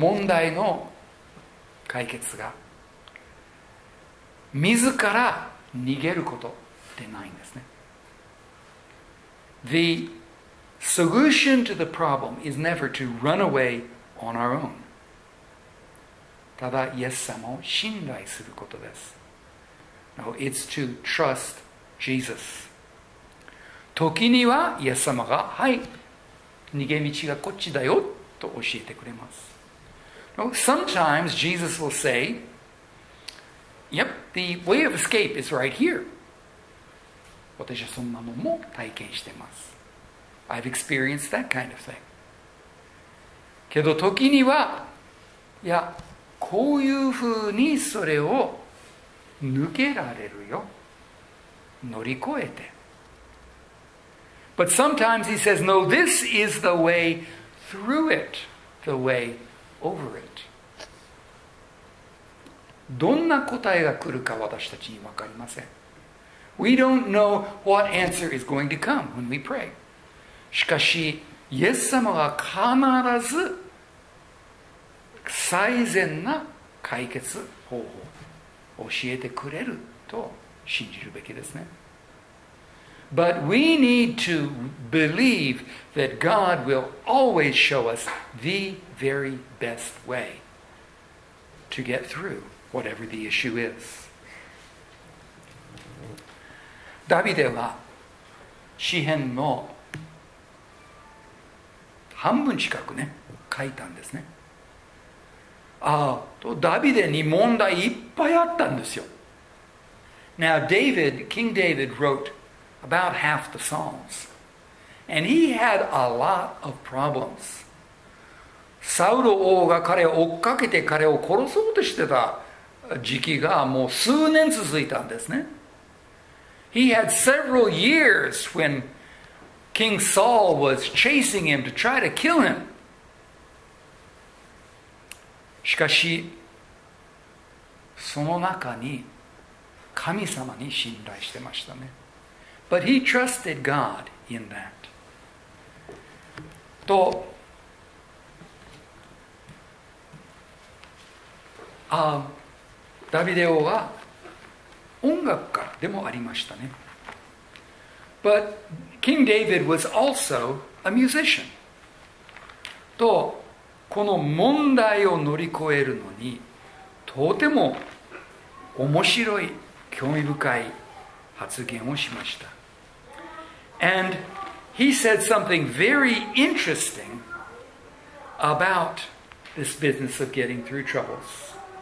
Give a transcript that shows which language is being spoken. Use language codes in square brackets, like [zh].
[ja] 問題の解決が自ら逃げることでないんですね。 [en] The solution to the problem is never to run away on our own. [ja] ただ、イエス様を信頼することです。 [en] No, it's to trust Jesus. [ja] 時には、イエス様が、はい、逃げ道がこっちだよと教えてくれます。 [en] No, sometimes Jesus will say,Yep, the way of escape is right here. [ja] 私はそんなのも体験してます。 [en] I've experienced that kind of thing. [ja] けど時には、いや、こういうふうにそれを抜けられるよ。乗り越えて。 [en] But sometimes he says, no, this is the way through it, the way over it. [ja] どんな答えが来るか私たちに分かりません。 [en] We don't know what answer is going to come when we pray. [ja] しかし、イエス様が必ず最善な解決方法を教えてくれると信じるべきですね。 [en] But we need to believe that God will always show us the very best way to get through whatever the issue is. [ja] ダビデは詩編の半分近くね、書いたんですね。ああ、とダビデに問題いっぱいあったんですよ。 [en] Now David, King David wrote about half the Psalms. And he had a lot of problems. [ja] サウル王が彼を追っかけて彼を殺そうとしてた時期がもう数年続いたんですね。 [en] He had several years when King Saul was chasing him to try to kill him. [ja] しかし、その中に神様に信頼してましたね。 [en] But he trusted God in that. [ja] と、ダビデ王は音楽家でもありましたね。 [en] But King David was also a musician. [ja] と、この問題を乗り越えるのにとても面白い、興味深い発言をしました。 [en] And he said something very interesting about this business of getting through troubles.